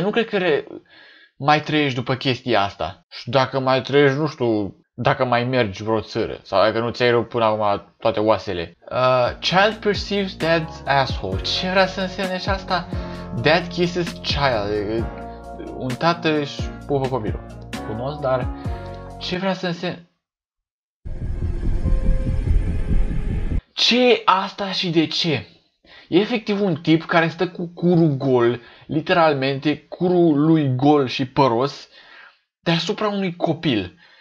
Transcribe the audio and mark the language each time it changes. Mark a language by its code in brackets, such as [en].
[ro] Nu cred că mai trăiești după chestia asta. Și dacă mai trăiești, nu știu, dacă mai mergi vreo țară. Sau dacă nu ți-ai rupt până acum toate oasele. [en] Child perceives dad's asshole. [ro] Ce vrea să însemne și asta? [en] Dad kisses child. [ro] Un tată își pupă copilul. Frumos, dar ce vrea să însemne? Ce asta și de ce? E efectiv un tip care stă cu curul gol, literalmente curul lui gol și păros, deasupra unui copil.